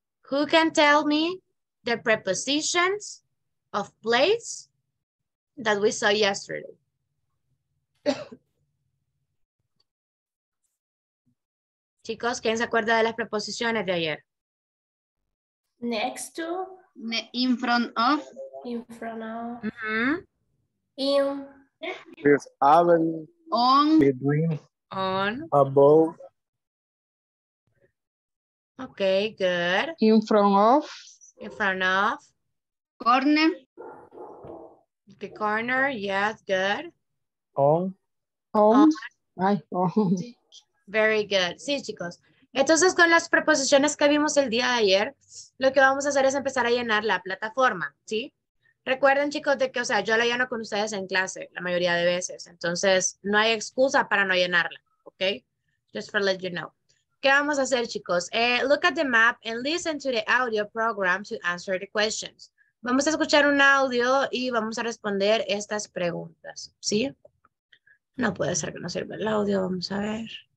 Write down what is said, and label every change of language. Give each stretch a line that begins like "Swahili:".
English: Who can tell me the prepositions of place that we saw yesterday?
Spanish: Chicos, ¿quién se acuerda de las preposiciones de ayer?
English: Next to, in front of, mm-hmm. In, with, oven, on, between, on, above. Okay, good. In front of, corner, the corner. Yes, good. On. Very good. Sí, chicos.
Spanish: Entonces, con las preposiciones que vimos el día de ayer, lo que vamos a hacer es empezar a llenar la plataforma, ¿sí? Recuerden, chicos, de que, o sea, yo la lleno con ustedes en clase la mayoría de veces. Entonces, no hay excusa para no llenarla, ¿ok? Just for let you know. ¿Qué vamos a hacer, chicos?
English: Look at the map and listen to the audio program to answer the questions.
Spanish: Vamos a escuchar un audio y vamos a responder estas preguntas, ¿sí? No puede ser que no sirva el audio, vamos a ver.